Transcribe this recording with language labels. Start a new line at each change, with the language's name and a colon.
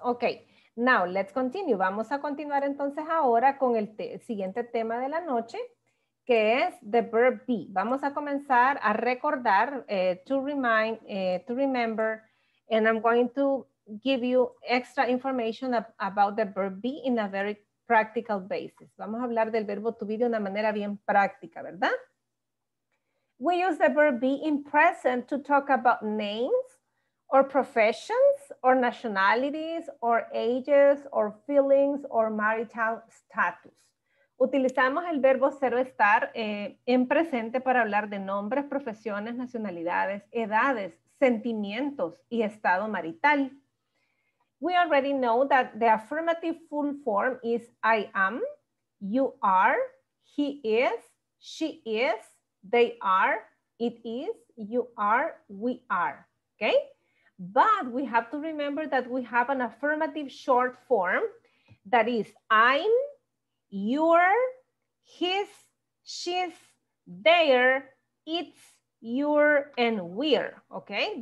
English: Ok, now let's continue.
Spanish: Vamos a continuar entonces ahora con el siguiente tema de la noche, que es the verb be. Vamos a comenzar a recordar,
English: to remember, and I'm going to give you extra information about the verb be in a very practical basis.
Spanish: Vamos a hablar del verbo to be de una manera bien práctica, ¿verdad?
English: We use the verb be in present to talk about names or professions or nationalities or ages or feelings or marital status.
Spanish: Utilizamos el verbo cero estar en presente para hablar de nombres, profesiones, nacionalidades, edades, sentimientos y estado marital.
English: We already know that the affirmative full form is I am, you are, he is, she is, they are, it is, you are, we are, okay? But we have to remember that we have an affirmative short form that is I'm, you're, his, she's, their, it's, your, and we're, okay?